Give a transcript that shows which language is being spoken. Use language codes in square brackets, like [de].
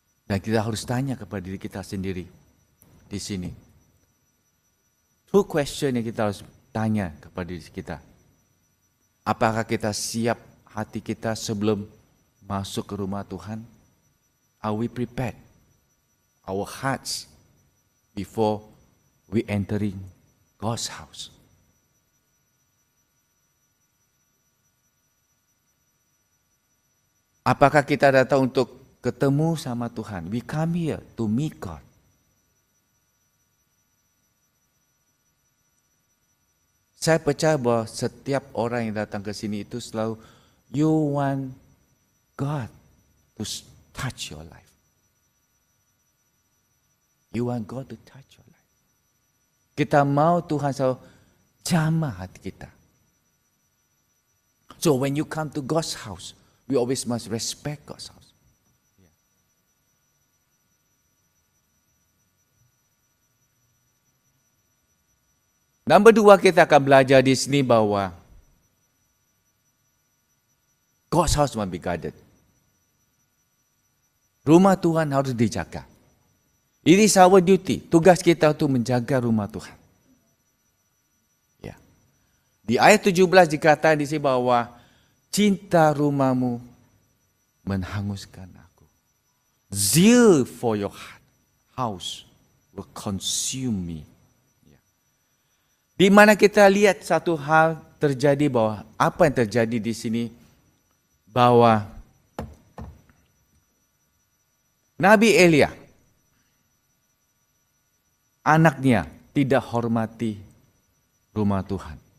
[id] Dan kita harus tanya kepada diri kita sendiri di sini. [en] Two question [id] yang kita harus tanya kepada diri kita. Apakah kita siap hati kita sebelum masuk ke rumah Tuhan? [en] Are we prepared our hearts before we entering God's house? [id] Apakah kita datang untuk ketemu sama Tuhan? [en] We come here to meet God. [id] Saya percaya bahwa setiap orang yang datang ke sini itu selalu [en] you want God to touch your life. You want God to touch your life. [id] Kita mau Tuhan selalu jamah hati kita. [en] So when you come to God's house, we always must respect God's house. Yeah. [id] Number dua, kita akan belajar di sini bahwa [en] God's house must be guarded. [id] Rumah Tuhan harus dijaga. [en] It is our duty, [id] tugas kita untuk menjaga rumah Tuhan. Yeah. Di ayat 17 dikatakan di sini bahwa cinta rumahmu menghanguskan aku. [en] Zeal for your house will consume me. Yeah. [id] Di mana kita lihat satu hal terjadi bahwa apa yang terjadi di sini bahwa Nabi Elia anaknya tidak hormati rumah Tuhan.